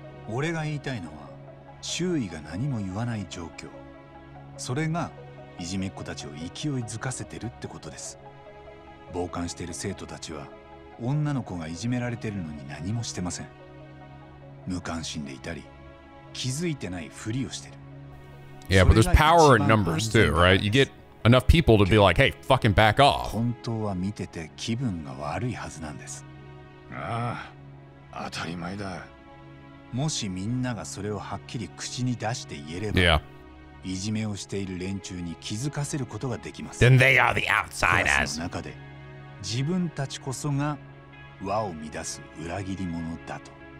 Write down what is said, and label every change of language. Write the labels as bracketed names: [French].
[Japanese] 俺が言いたいのは周囲が何も言わない状況、それがいじめっ子たちを勢いづかせてるってことです。傍観している生徒たちは女の子がいじめられてるのに何もしてません。無関心でいたり気づいてないふりをしてる。 [English] Yeah, but there's power in numbers too, right? You get enough people to be like, hey, fucking back off. [Japanese] 本当は見てて気分が悪いはずなんです。ああ、当たり前だ。もしみんながそれをはっきり口に出して言えれば、 [English] yeah. [Japanese] いじめをしている連中に気づかせることができます。 [English] Then they are the outsiders. [Japanese] クラスの中で自分たちこそが輪を乱す裏切り者だと。